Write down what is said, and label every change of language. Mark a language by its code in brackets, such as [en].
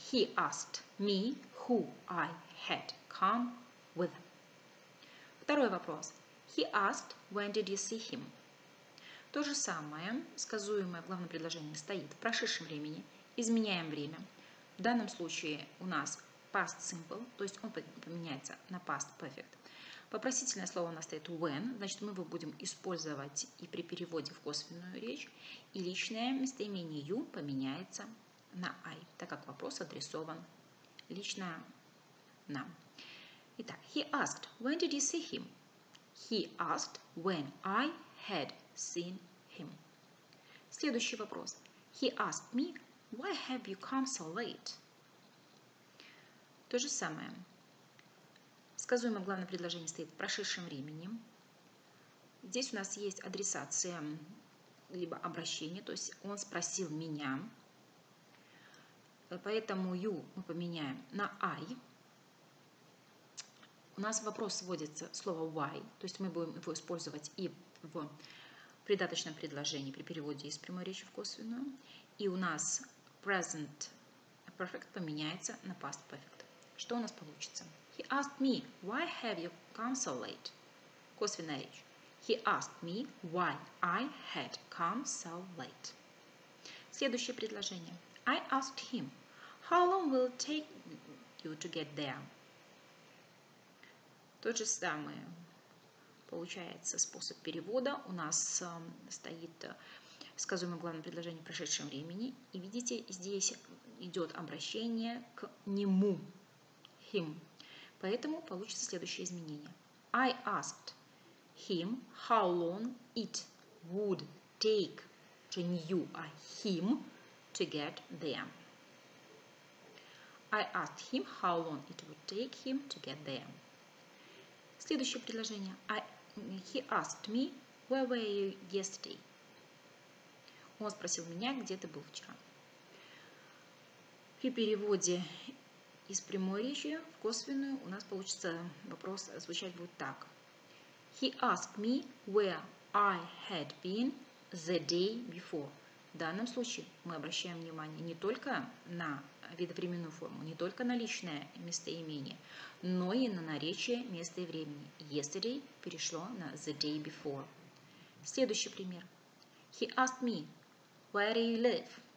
[en] He asked me who I had come with. [ru] Второй вопрос. [en] He asked, when did you see him? [ru] То же самое, сказуемое в главном предложении, стоит в прошедшем времени. Изменяем время. В данном случае у нас past simple, то есть он поменяется на past perfect. Вопросительное слово у нас стоит when, значит, мы его будем использовать и при переводе в косвенную речь. И личное местоимение you поменяется на I, так как вопрос адресован лично нам. Итак, [en] he asked, when did you see him? He asked when I had seen him. [ru] Следующий вопрос. [en] He asked me, why have you come so late? [ru] То же самое. Сказуемое главное предложение стоит в прошедшем времени. Здесь у нас есть адресация, либо обращение, то есть он спросил меня. Поэтому you мы поменяем на I. У нас вопрос сводится слово why, то есть мы будем его использовать и в придаточном предложении при переводе из прямой речи в косвенную. И у нас present perfect поменяется на past perfect. Что у нас получится? [en] He asked me, why have you come so late? [ru] Косвенная речь. [en] He asked me, why I had come so late. [ru] Следующее предложение. [en] I asked him, how long will it take you to get there? [ru] Тот же самый, получается, способ перевода. У нас стоит сказуемое главное предложение в прошедшем времени. И видите, здесь идет обращение к нему. [en] Him. [ru] Поэтому получится следующее изменение. [en] I asked him how long it would take to you or him to get there. I asked him how long it would take him to get there. [ru] Следующее предложение. [en] He asked me, where were you yesterday? [ru] Он спросил меня, где ты был вчера. При переводе Из прямой речи в косвенную у нас получится вопрос звучать будет так. [en] He asked me where I had been the day before. [ru] В данном случае мы обращаем внимание не только на видовременную форму, не только на личное местоимение, но и на наречие места и времени. Yesterday перешло на [en] the day before. [ru] Следующий пример. [en] He asked me, where do you live?